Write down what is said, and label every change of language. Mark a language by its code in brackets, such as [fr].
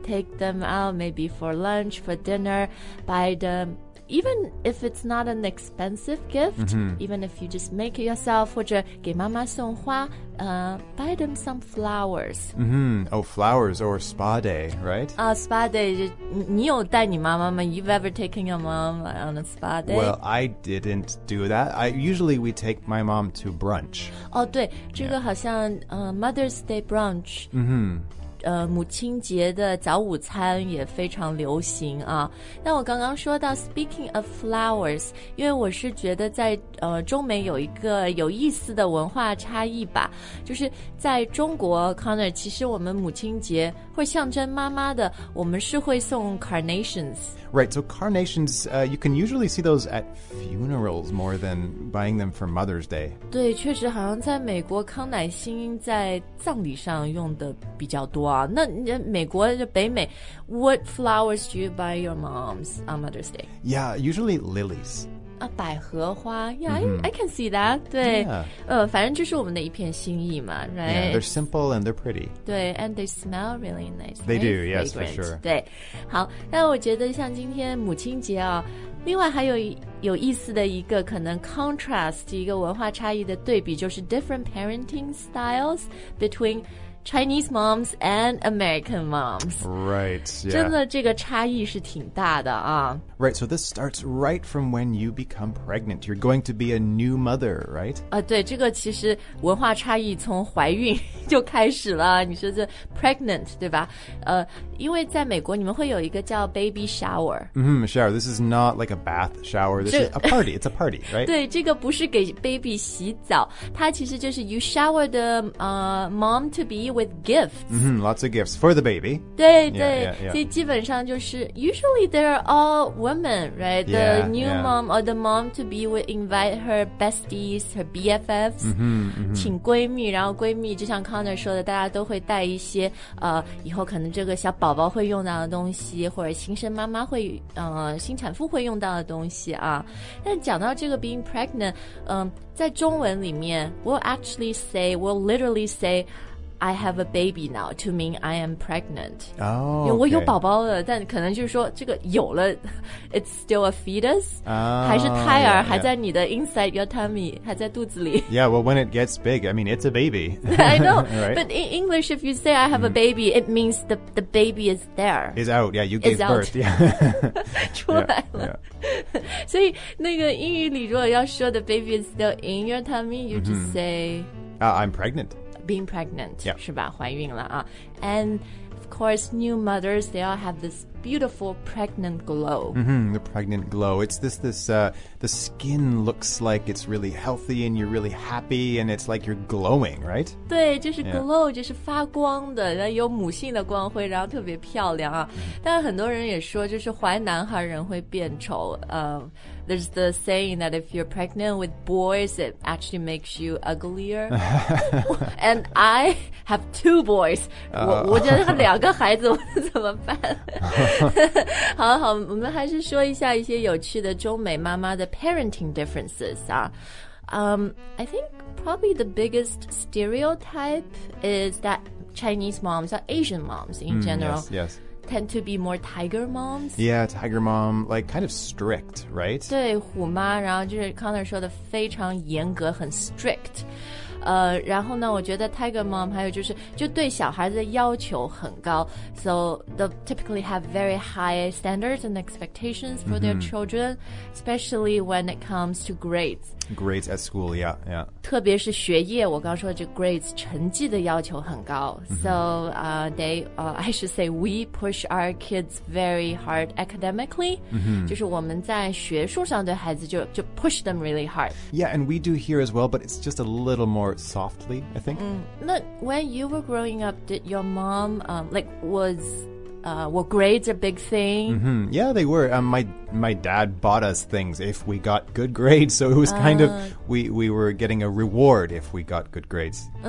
[en] Take them out maybe for lunch, for dinner, buy them... Even if it's not an expensive gift,、even if you just make it yourself, [zh] 或者给妈妈送花、 [en] buy them some flowers.、 Oh, flowers or spa day, right?、 spa day. [zh] 你有带你妈妈吗 [en] You've ever taken your mom on a spa day? Well, I didn't do that. Usually we take my mom to brunch. Oh, [zh] 对，这个好像、 [en] Mother's Day brunch. Mm-hmm. [zh] 母亲节的早午餐也非常流行啊。那我刚刚说到 [en] speaking of flowers, [zh] 因为我是觉得在中美有一个有意思的文化差异吧。就是在中国 Connor, 其实我们母亲节会象征妈妈的我们是会送 carnations。 [en] Right, so carnations, you can usually see those at funerals more than buying them for Mother's Day. [zh] 对，确实好像在美国康乃馨在葬礼上用的比较多。啊。那美国就北美 [en] ，What flowers do you buy your moms on Mother's Day? Yeah, usually lilies. [zh] 啊，百合花 ，Yeah,、mm-hmm. [en] I can see that. 对， yeah. [zh] 反正就是我们的一片心意嘛 ，Right? [en] Yeah, they're simple and they're pretty. 对 ，and they smell really nice. They、 nice、 do, yes,、 fragrant. for sure. [zh] 对，好，那我觉得像今天母亲节啊。另外还有有意思的一个可能 contrast 一个文化差异的对比就是 [en] different parenting styles between Chinese moms and American moms. Right,、yeah. [zh] 真的这个差异是挺大的啊。 [en] Right, so this starts right from when you become pregnant. You're going to be a new mother, right? [zh] 啊、对，这个其实文化差异从怀孕就开始了。你说这 pregnant, 对吧？因为在美国你们会有一个叫 baby shower. [en] Mm-hmm, shower. This is not like a bath shower. This is a party. It's a party, right? [zh] 对，这个不是给 baby 洗澡。它其实就是 [en] you shower the、mom to be with gifts. Mm-hmm, lots of gifts for the baby. [zh] 对、 [en] yeah, [zh] 对、 [en] yeah, yeah. [zh] 所以基本上就是 [en] usually they're all... Women, right? The yeah, new yeah. mom or the mom to be would invite her besties, her BFFs, mm-hmm, mm-hmm. [zh] 请闺蜜，然后闺蜜就像 Connor 说的，大家都会带一些以后可能这个小宝宝会用到的东西，或者新生妈妈会新产妇会用到的东西啊。但讲到这个 being pregnant, 在中文里面 [en] we'll literally say. I have a baby now to mean I am pregnant. Oh, okay. [zh] 我有宝宝了，但可能就是说这个有了 ， [en] it's still a fetus. 啊、oh, ， [zh] 还是胎儿， [en] yeah, yeah. [zh] 还在你的 [en] inside your tummy， [zh] 还在肚子里。 [en] Yeah, well, when it gets big, I mean, it's a baby. I know, right? But in English, if you say I have a baby,、mm. it means the baby is there. Is out. Yeah, you gave birth. Yeah, [zh] 出来了。 [en] Yeah, yeah. [zh] 所以那个英语里如果要说 [en] the baby is still in your tummy, you、 [zh] mm-hmm. [en] just say、 I'm pregnant. Being pregnant,、 yeah. [zh] 是吧？怀孕了啊。 [en] And of course, new mothers, they all have this beautiful pregnant glow. Mm-hmm, the pregnant glow. It's this, the skin looks like it's really healthy and you're really happy and it's like you're glowing, right? [zh] 对，就是 glow,、yeah. 就是发光的，然后有母性的光辉，然后特别漂亮啊。但很多人也说，就是怀男孩人会变丑， [en] There's the saying that if you're pregnant with boys, it actually makes you uglier. And I have two boys. [zh] 我觉得两个孩子怎么办？好好，我们还是说一下一些有趣的中美妈妈的 [en] parenting differences [zh] 啊。 [en] I think probably the biggest stereotype is that Chinese moms are Asian moms in general. Yes, yes. Tend to be more tiger moms. Yeah, tiger mom, like kind of strict, right? [zh] 对，虎妈，然后就是 Connor 说的非常严格，很 strict。然后呢，我觉得 tiger mom 还有就是，就对小孩子的要求很高 [en] ，so they typically have very high standards and expectations for、mm-hmm. their children, especially when it comes to grades. Grades at school, yeah, yeah. [zh] 特别是学业，我刚说这 grades 成绩的要求很高 ，so、mm-hmm. [en] I should say we push our kids very hard academically.、 Mm-hmm. [zh] 就是我们在学术上对孩子就 [en] push them really hard. Yeah, and we do here as well, but it's just a little more. More softly, I think. Look, when you were growing up, did your mom, were grades a big thing? Mm-hmm. Yeah, they were. My dad bought us things if we got good grades, so it was kind of, we were getting a reward if we got good grades.